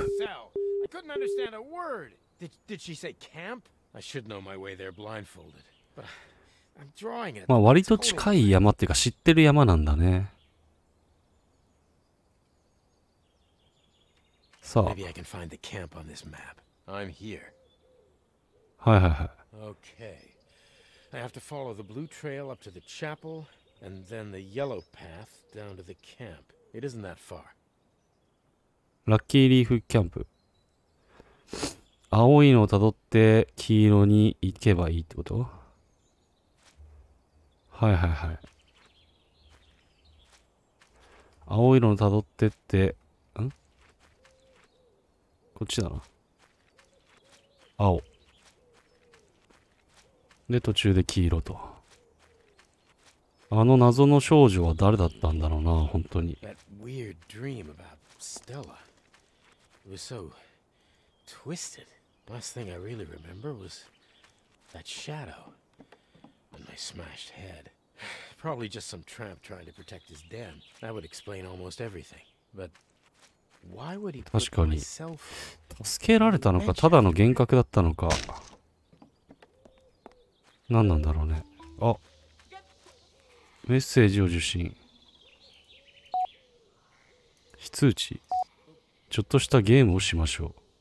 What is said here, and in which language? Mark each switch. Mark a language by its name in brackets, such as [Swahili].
[English] I couldn't understand a word. Did she say camp? I should know my way there blindfolded. But I'm drawing it. [Japanese] まあ割と近い山っていうか知ってる山なんだね。さあ。 [English] Maybe I can find the camp on this map. I'm here. [Japanese] はいはいはい。 [English] Okay. I have to follow the blue trail up to the chapel and then the yellow path down to the camp. It isn't that far. [Japanese] ラッキーリーフキャンプ。青いのをたどって黄色に行けばいいってこと？はいはいはい。青色をたどってって、ん？こっちだな。青。で、途中で黄色と。あの謎の少女は誰だったんだろうな、本当に。 [English] That weird dream about Stella. It was so twisted. Last thing I really remember was that shadow on my smashed head. Probably just some tramp trying to protect his den. That would explain almost everything. But why would he put himself? [Japanese] 助けられたのか、ただの幻覚だったのか。何なんだろうね。あ、メッセージを受信。非通知。ちょっとしたゲームをしましょう。